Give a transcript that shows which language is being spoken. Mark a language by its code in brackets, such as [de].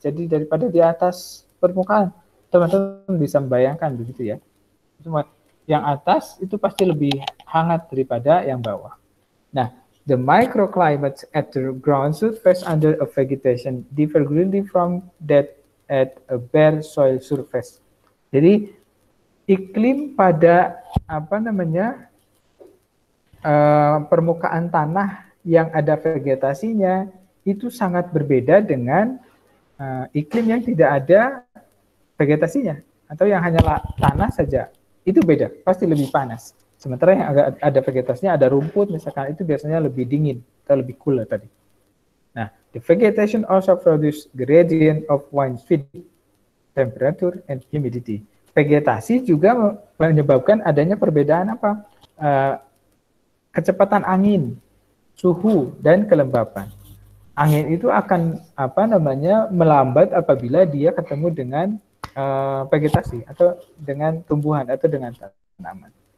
[id] Jadi daripada di atas permukaan. Teman-teman bisa membayangkan begitu ya. Cuma yang atas itu pasti lebih hangat daripada yang bawah. [en] Nah, the microclimate at the ground surface under a vegetation differ greatly from that at a bare soil surface. [id] Jadi iklim pada apa namanya permukaan tanah yang ada vegetasinya itu sangat berbeda dengan iklim yang tidak ada vegetasinya atau yang hanyalah tanah saja. Itu beda, pasti lebih panas. Sementara yang agak ada vegetasinya, ada rumput, misalkan itu biasanya lebih dingin atau lebih cool lah tadi. [en] Nah, the vegetation also produce gradient of wind speed, temperature, and humidity. [id] Vegetasi juga menyebabkan adanya perbedaan apa? Kecepatan angin, suhu, dan kelembapan. Angin itu akan apa namanya melambat apabila dia ketemu dengan vegetasi atau dengan tumbuhan atau dengan tanaman.